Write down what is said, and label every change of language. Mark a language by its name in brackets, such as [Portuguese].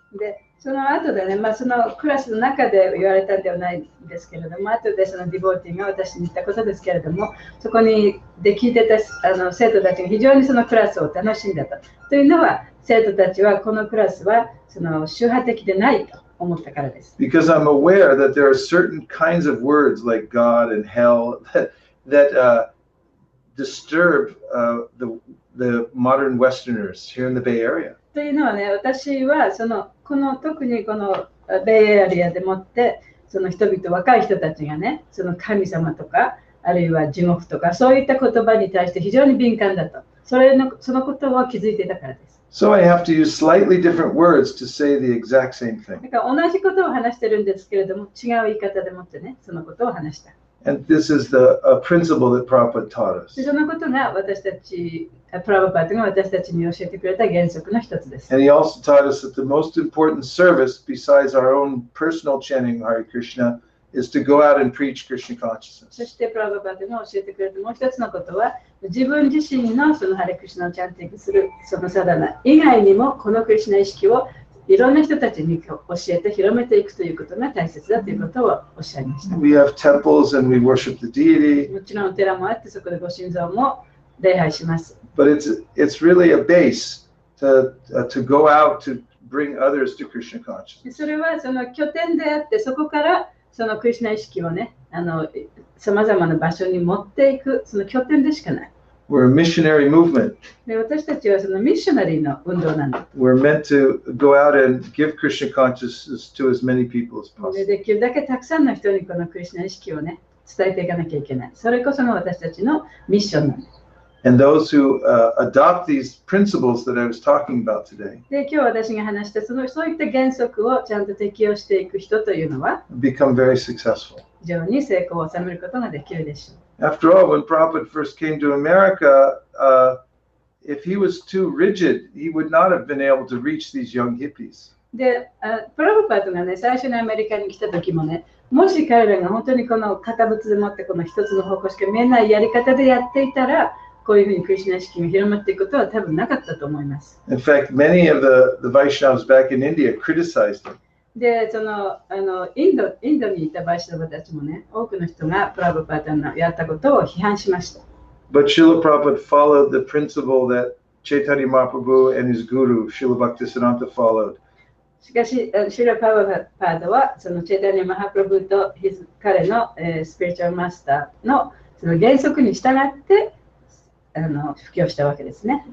[Japanese] で、その後でね、まあ、そのクラスの中で言われたんではないですけれども、後でそのディボーティーが私に言ったことですけれども、そこにで聞いてた生徒たちが非常にそのクラスを楽しんだと。というのは、生徒たちはこのクラスはその宗派的でないと。 [English] Because I'm aware that there are certain kinds of words like God and hell that disturb the modern Westerners here in the Bay Area. [Japanese] というのはね、私はそのこの特にこのベイエリアでもってその人々若い人たちがね、その神様とかあるいは地獄とかそういった言葉に対して非常に敏感だと、そのことを気づいていたからです。 [English] So I have to use slightly different words to say the exact same thing. [Japanese] だから同じことを話してるんですけれども、違う言い方でもってね、そのことを話した。 [English] And this is the principle that Prabhupada taught us. [Japanese] そのことが私たち、プラババットが私たちに教えてくれた原則の一つです。 [English] And he also taught us that the most important service besides our own personal chanting Hare Krishna is to go out and preach Krishna consciousness. [Japanese] そしてプラババットが教えてくれたもう一つのことは、自分自身のそのハレクリシナをチャンティングするそのサダナ以外にもこのクリシナ意識をいろんな人たちに教えて広めていくということが大切だということをおっしゃいました。 [English] We have temples and we worship the deity. [Japanese] もちろん寺もあってそこでご神像も礼拝します。 [English] But it's really a base to go out to bring others to Krishna consciousness. [Japanese] それはその拠点であってそこからそのクリシナ意識をね、さまざまな場所に持っていくその拠点でしかない。 [English] We're a missionary movement. [Japanese] で私たちはそのミッショナリーの運動なんだ。 [English] We're meant to go out and give Krishna consciousness to as many people as possible. [Japanese] できるだけたくさんの人にこのクリシナ意識をね、伝えていかなきゃいけない。それこそが私たちのミッションなんだ。 [English] And those who adopt these principles that I was talking about today, [Japanese] で今日私が話したそのそういった原則をちゃんと適用していく人というのは、 [English] become very successful. [Japanese] 非常に成功を収めることができるでしょう。 [English] After all, when Prabhupada first came to America, if he was too rigid, he would not have been able to reach these young hippies. [Japanese] で、プラブパッドがね、最初にアメリカに来た時もね、もし彼らが本当にこの堅物でもってこの一つの方向しか見えないやり方でやっていたら、こういうふうにクリシュナ意識が広まっていくことは多分なかったと思います。 [English] In fact, many of the Vaishnavas back in India criticized him. [Japanese] でそのインドにいたバイシナバたちもね、多くの人がプラブパータのやったことを批判しました。 [English] But Srila Prabhupada followed the principle that Chaitanya Mahaprabhu and his guru, Srila Bhaktisiddhanta followed. [Japanese] しかし、Srila Prabhupada は、その Chaitanya Mahaprabhu と彼の、スピリチュアルマスターの、 その原則に従って、布教したわけですね。